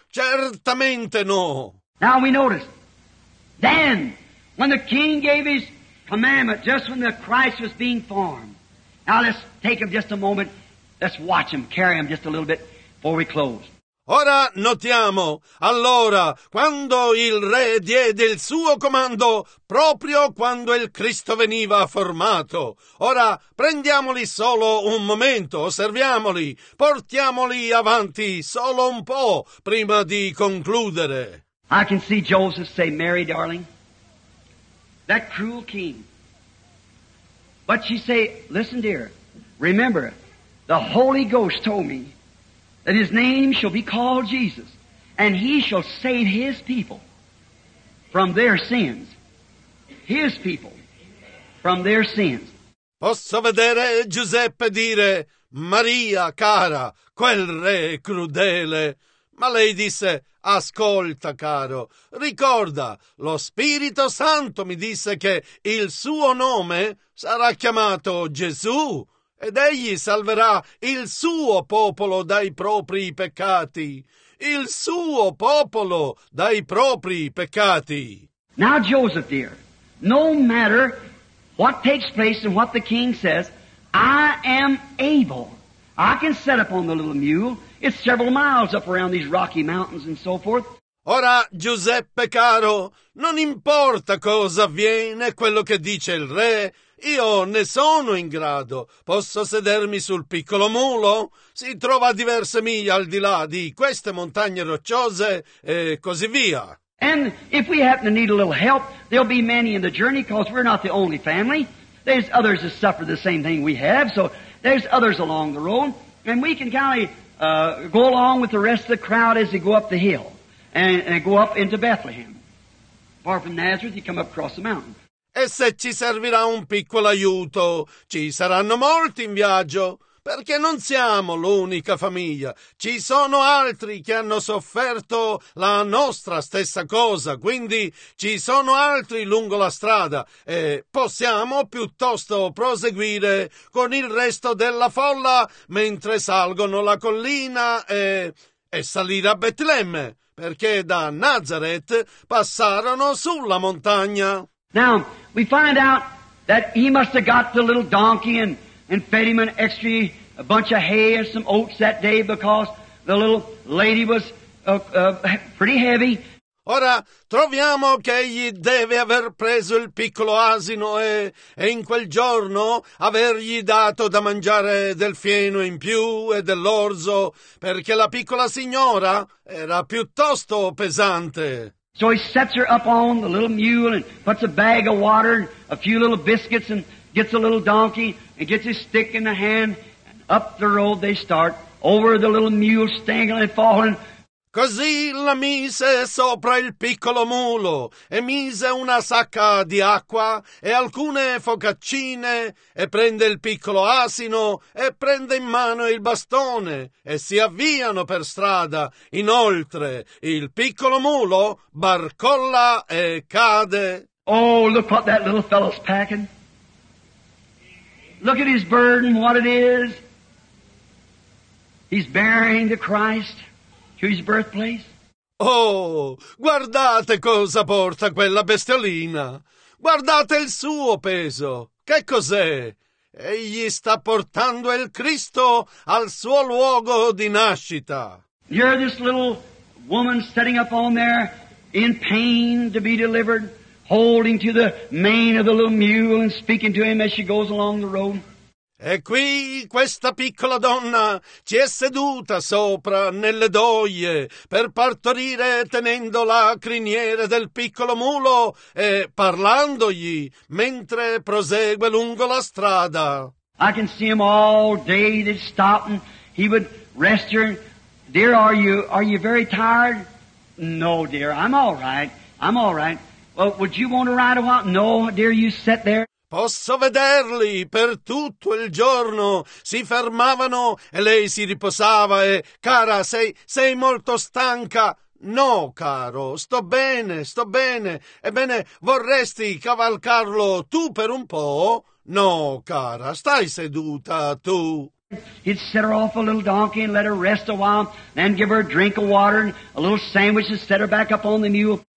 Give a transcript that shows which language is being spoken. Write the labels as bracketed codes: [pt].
[it] Certamente no. [en] Now we notice, then, when the king gave his commandment, just when the Christ was being formed. Now let's take him just a moment. Let's watch him, carry him just a little bit before we close. [it] Ora notiamo, allora, quando il re diede il suo comando, proprio quando il Cristo veniva formato. Ora, prendiamoli solo un momento, osserviamoli, portiamoli avanti solo un po' prima di concludere. [en] I can see Joseph say, Mary, darling, that cruel king. But she say, listen, dear, remember, the Holy Ghost told me that his name shall be called Jesus, and he shall save his people from their sins. His people from their sins. [it] Posso vedere Giuseppe dire, Maria, cara, quel re crudele. Ma lei disse, ascolta, caro, ricorda, lo Spirito Santo mi disse che il suo nome sarà chiamato Gesù ed egli salverà il suo popolo dai propri peccati. Il suo popolo dai propri peccati. [en] Now, Joseph, dear, no matter what takes place and what the king says, I am able. I can set up on the little mule. It's several miles up around these rocky mountains and so forth. [it] Ora, Giuseppe caro, non importa cosa avviene, quello che dice il re, io ne sono in grado. Posso sedermi sul piccolo mulo? Si trova a diverse miglia al di là di queste montagne rocciose e così via. [en] And if we happen to need a little help, there'll be many in the journey because we're not the only family. There's others that suffer the same thing we have, so there's others along the road, and we can kind of go along with the rest of the crowd as they go up the hill and go up into Bethlehem. Far from Nazareth, you come up across the mountain. [it] E se ci servirà un piccolo aiuto, ci saranno molti in viaggio, perché non siamo l'unica famiglia. Ci sono altri che hanno sofferto la nostra stessa cosa, quindi ci sono altri lungo la strada e possiamo piuttosto proseguire con il resto della folla mentre salgono la collina e salire a Betlemme, perché da Nazareth passarono sulla montagna. [en] Now, we find out that he must have got the little donkey and fed him an extra bunch of hay and some oats that day because the little lady was pretty heavy. [it] Ora troviamo che egli deve aver preso il piccolo asino e in quel giorno avergli dato da mangiare del fieno in più e dell'orzo, perché la piccola signora era piuttosto pesante. [en] So he sets her up on the little mule and puts a bag of water and a few little biscuits and gets a little donkey and gets his stick in the hand, and up the road they start, over the little mule stangling and falling. [it] Così la mise sopra il piccolo mulo e mise una sacca di acqua e alcune focaccine e prende il piccolo asino e prende in mano il bastone e si avviano per strada. Inoltre il piccolo mulo barcolla e cade. [en] Oh, look what that little fellow's packing. Look at his burden, what it is. He's bearing the Christ. His birthplace? [it] Oh, guardate cosa porta quella bestiolina. Guardate il suo peso. Che cos'è? Egli sta portando il Cristo al suo luogo di nascita. [en] Here this little woman sitting up on there in pain to be delivered, holding to the mane of the little mule and speaking to him as she goes along the road. [it] E qui questa piccola donna ci è seduta sopra nelle doglie per partorire tenendo la criniera del piccolo mulo e parlandogli mentre prosegue lungo la strada. [en] I can see him all day that stopping. He would rest her. Dear, are you very tired? No, dear, I'm all right. Well, would you want to ride a while? No, dear, you sit there. [it] Posso vederli per tutto il giorno. Si fermavano e lei si riposava e, cara, sei molto stanca. No, caro, sto bene. Ebbene, vorresti cavalcarlo tu per un po'? No, cara, stai seduta tu. [en] He'd set her off a little donkey and let her rest a while, then give her a drink of water and a little sandwich and set her back up on the mule.